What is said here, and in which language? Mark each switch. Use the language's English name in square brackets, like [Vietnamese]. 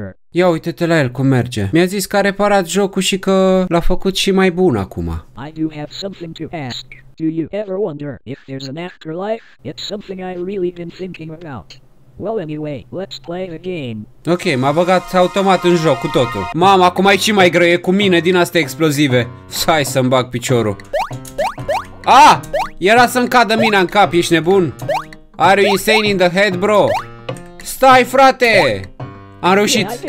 [Romanian] Ia uite-te la el cum merge. Mi-a zis că a reparat jocul și că l-a făcut și mai bun acum. [English] I do have something to ask. Do you ever wonder if there's an afterlife? It's something I really been thinking about. Well, anyway, let's play the game. [Romanian] Ok, m-a băgat automat în joc cu totul. Mama, acum e și mai greu, e cu mine din astea explozive. Hai să-mi bag piciorul. Ah! Era să-mi cadă mina în cap, ești nebun? [English] Are you insane in the head, bro? [Romanian] Stai, frate! Am reușit!